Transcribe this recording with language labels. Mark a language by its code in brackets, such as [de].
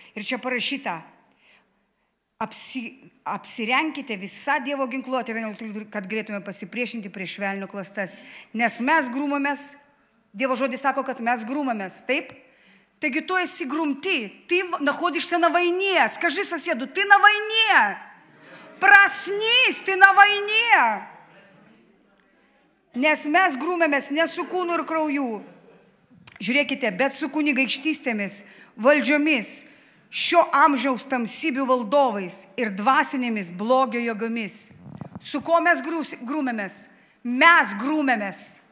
[lt] Ir čia parašyta, apsirenkite visą Dievo ginkluotę, kad galėtume pasipriešinti prieš velnio klastas. Nes mes grūmomės, Dievo žodis sako, kad mes grūmomės, taip? Taigi tu esi grumti, [ru] ty находишься на войне. Скажи соседу, ты на войне. Проснись, ты на войне. [lt] Nes mes grūmėmės ne su kūnu ir krauju, žiūrėkite, bet su kunigaikštystėmis, valdžiomis, šio amžiaus tamsybių valdovais ir dvasinėmis blogio jėgomis. Su kuo mes grūmėmės? Mes grūmėmės.